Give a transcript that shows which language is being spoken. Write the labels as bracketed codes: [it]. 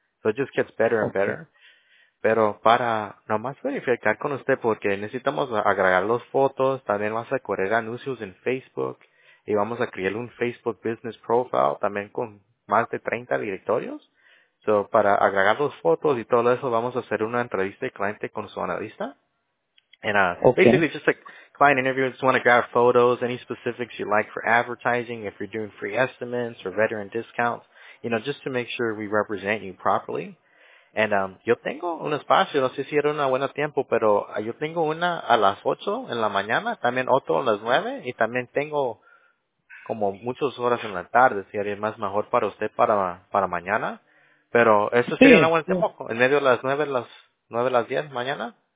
[en] So it just gets better and better. [es] Pero para nomás verificar con usted, porque necesitamos agregar las fotos, también vas a correr anuncios en Facebook y vamos a crear un Facebook Business Profile también con más de 30 directorios. So, para agregar las fotos y todo eso, vamos a hacer una entrevista de cliente con su analista. [en] And basically, just a client interview, just want to grab photos, any specifics you like for advertising, if you're doing free estimates or veteran discounts, you know, just to make sure we represent you properly. [es] And yo tengo un espacio, no sé si era una buena tiempo, pero yo tengo una a las 8 en la mañana, también otro a las 9, y también tengo como muchas horas en la tarde, si haría más mejor para usted para mañana. Pero eso sería una buena tiempo, en medio de las 9, las 9, las 10 mañana.